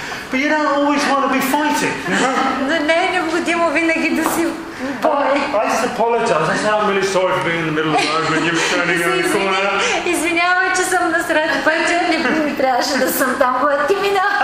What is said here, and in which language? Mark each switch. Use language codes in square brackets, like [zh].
[en] But you don't always want to be fighting. [bg] Но не е необходимо винаги да си бой. [en] I just apologize. I say I'm really sorry for being in the middle of the road when you're standing in the corner. [bg] Извинявай, че съм насред пътя, не ми трябваше да съм там, когато ти минаха.